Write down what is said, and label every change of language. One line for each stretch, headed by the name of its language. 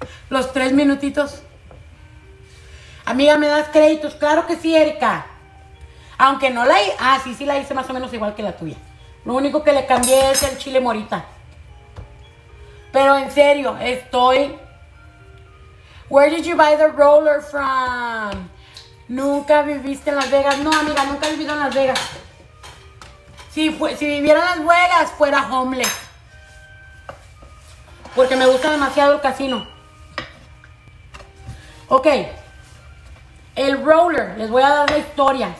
Spanish: Los tres minutitos. Amiga, ¿me das créditos? Claro que sí, Erika. Aunque no la hice. Ah, sí, sí la hice más o menos igual que la tuya. Lo único que le cambié es el chile morita. Pero en serio, estoy...
English: Where did you buy the roller from?
Spanish: ¿Nunca viviste en Las Vegas? No, amiga, nunca he vivido en Las Vegas. Si viviera en Las Vegas, fuera homeless. Porque me gusta demasiado el casino. Ok. El roller. Les voy a dar la historia.